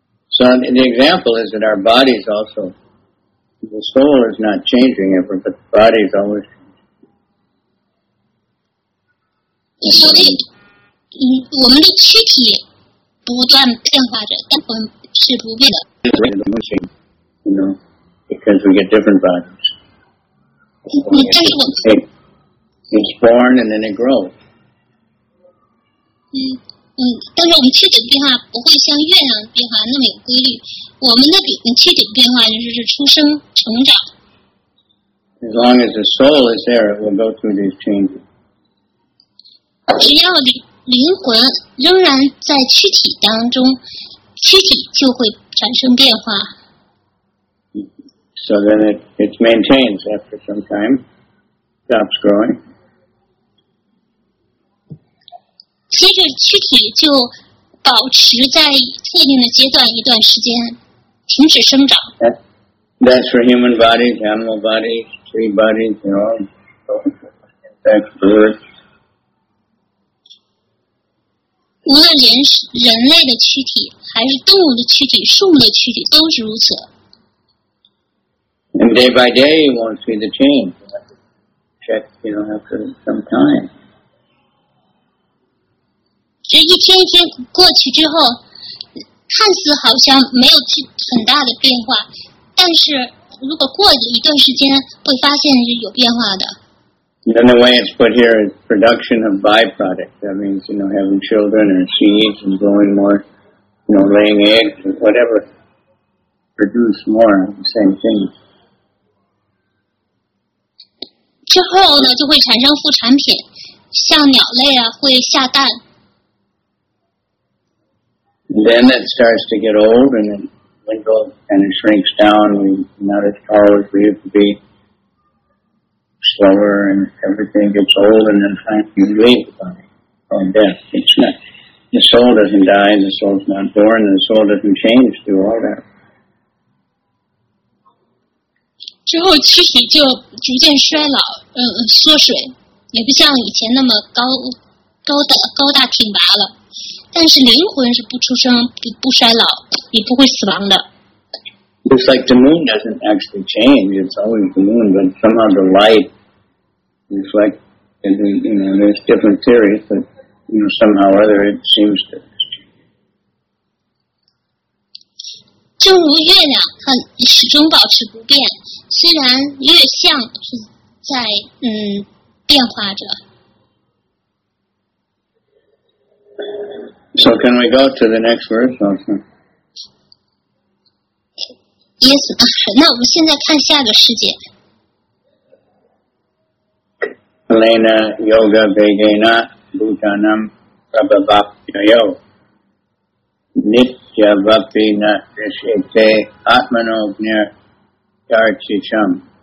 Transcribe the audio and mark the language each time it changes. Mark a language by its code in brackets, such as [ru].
[en] So the example is that our bodies also, the soul is not changing ever, but the body is always changing. [zh] 所以，我们的躯体不断变化着，但我们是不变的。 [en] You know, because we get different bodies. It's born and then it grows. [zh] 但是我们躯体的变化不会像月亮的变化那么有规律。我们的躯体的变化就是出生、成长。 [en] As long as the soul is there, it will go through these changes. [zh] 只要灵魂仍然在躯体当中，躯体就会产生变化。 [en] So then it maintains after some time, stops growing. [zh] 接着躯体就保持在特定的阶段一段时间，停止生长。 [en] That's for human bodies, animal bodies, tree bodies, you know, insects, birds. [zh] 无论人类的躯体，还是动物的躯体、树木的躯体，都是如此。 [en] And day by day, you won't see the change. You have to check, you know, after some time. [zh] 这一天一天过去之后，看似好像没有很大的变化，但是如果过了一段时间，会发现是有变化的。 [en] Then the way it's put here is production of byproducts. That means, you know, having children or seeds and growing more, you know, laying eggs or whatever, produce more of the same thing. [zh] 之后呢，就会产生副产品，像鸟类啊，会下蛋。 [en] Then it starts to get old and it dwindles and it shrinks down. We're not as tall as we used to be. Slower and everything gets old and then finally you leave the body. Or death. It's not, the soul doesn't die and the soul's not born and the soul doesn't change through all that. [zh] 之后躯体就逐渐衰老，缩水，也不像以前那么高大挺拔了。但是灵魂是不出生、不衰老、也不会死亡的。 [en] It's like the moon doesn't actually change; it's always the moon, but somehow the light reflects. And you know, there's different theories, but you know, somehow or other, it seems to change. [zh] 正如月亮，它始终保持不变，虽然月相是在变化着。 [en] So can we go to the next verse also? [zh] Yes, 那我们现在看下个世界。 [sa] Kalena Yoga Vegena Bhutanam Prabhavapyayo Nitya Vapi Na Rishete Atmano Gnir Darchisham.